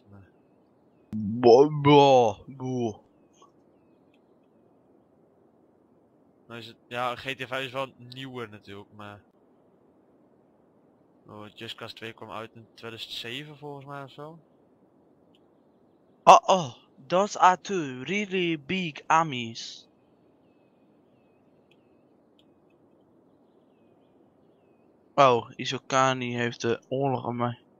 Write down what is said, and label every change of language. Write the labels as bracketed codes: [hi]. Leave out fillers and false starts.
[nl] Maar... Boah. Nou is het, ja, GTA 5 is wel nieuwer natuurlijk, maar... Oh, Just Cause 2 kwam uit in 2007 volgens mij of zo. [en] Oh, those are two really big armies. [nl] Oh, Isokani heeft de oorlog aan mij.